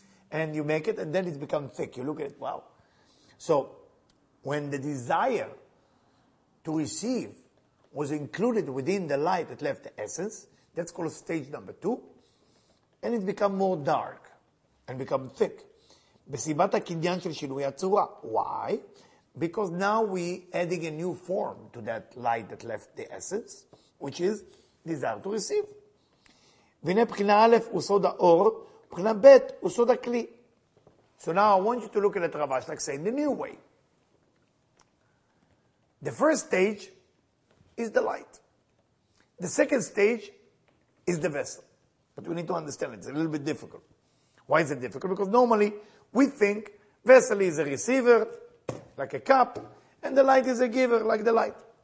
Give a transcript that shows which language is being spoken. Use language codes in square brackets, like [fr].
[en] And you make it, and then it becomes thick. You look at it, wow. So when the desire to receive was included within the light that left the essence, that's called stage number two, and it becomes more dark and become thick. [he] בסיבת הקניין של שינוי הצורה. [en] Why? Because now we're adding a new form to that light that left the essence, which is desire to receive. [he] והנה בחינה א' הוא סוד האור, בחינה ב' הוא סוד הכלי. [en] So now I want you to look at the Rav Ashlag saying the new way. The first stage is the light. The second stage is the vessel. But we need to understand it. It's a little bit difficult. Why is it difficult? Because normally we think vessel is a receiver, like a cup, and the light is a giver, like the light.